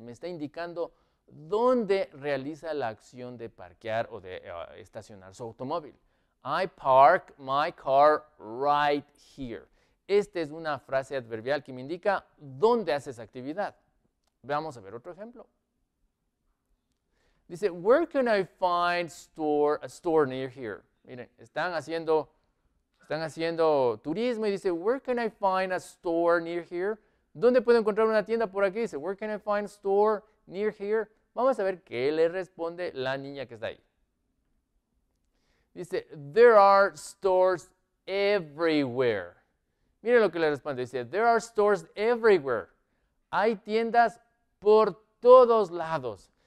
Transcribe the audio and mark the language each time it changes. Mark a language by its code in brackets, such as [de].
[es] Me está indicando dónde realiza la acción de parquear o de estacionar su automóvil. [en] I park my car right here. [es] Esta es una frase adverbial que me indica dónde hace esa actividad. Vamos a ver otro ejemplo. [en] Dice, where can I find a store near here? Miren, están haciendo turismo y dice, where can I find a store near here? [es] ¿Dónde puedo encontrar una tienda por aquí? Dice, where can I find a store near here? Vamos a ver qué le responde la niña que está ahí. Dice, there are stores everywhere. Miren lo que le responde. Dice, there are stores everywhere. Hay tiendas por todos lados.